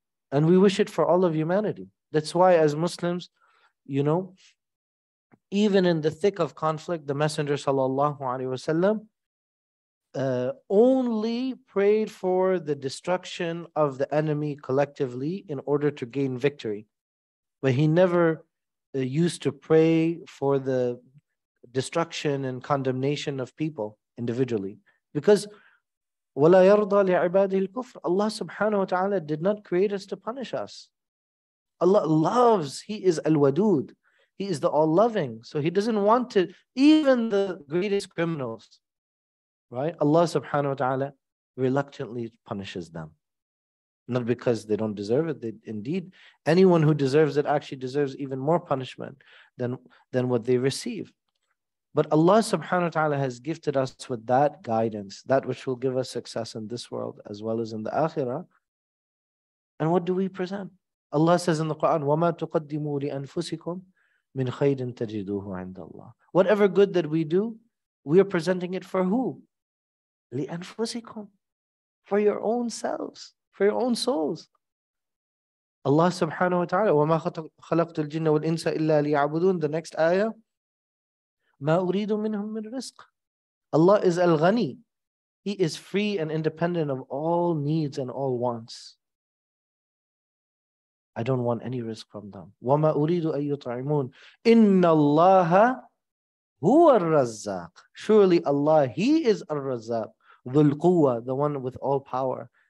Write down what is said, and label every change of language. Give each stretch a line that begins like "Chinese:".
English: And we wish it for all of humanity. That's why as Muslims, you know, even in the thick of conflict, the Messenger sallallahu alaihi wasallam only prayed for the destruction of the enemy collectively in order to gain victory. But he never used to pray for the destruction and condemnation of people individually. Because
Arabic: وَلَا يَرْضَى لِعِبَادِهِ الْكُفْرِ.
English: Allah subhanahu wa ta'ala did not create us to punish us. Allah loves, He is al-wadud. He is the all-loving. So He doesn't want to, even the greatest criminals, right? Allah subhanahu wa ta'ala reluctantly punishes them. Not because they don't deserve it. Indeed, anyone who deserves it actually deserves even more punishment than what they receive. But Allah subhanahu wa ta'ala has gifted us with that guidance, that which will give us success in this world as well as in the akhirah. And what do we present? Allah says in the Quran,
Arabic: وَمَا تُقَدِّمُوا لِأَنفُسِكُمْ مِنْ خَيْرٍ تَجِدُوهُ عِنْدَ اللَّهِ.
English: Whatever good that we do, we are presenting it for who?
Arabic: لِأَنفُسِكُمْ.
English: For your own selves, for your own souls.
Arabic: Allah subhanahu wa ta'ala, وَمَا خَلَقْتُ الْجِنَّ وَالْإِنسَ إِلَّا لِيَعْبُدُونَ.
English: The next ayah,
Arabic: مَا أُرِيدُ مِنْهُمْ مِنْ رِزْقِ.
English: Allah is al-ghani. He is free and independent of all needs and all wants. I don't want any risk from them.
Arabic: وَمَا أُرِيدُ أَن يُطْعِمُونَ. إِنَّ اللَّهَ هُوَ الرَّزَّاقِ.
English: Surely Allah, He is al-razzaq.
Arabic: ذُو الْقُوَّةِ,
English: the one with all power.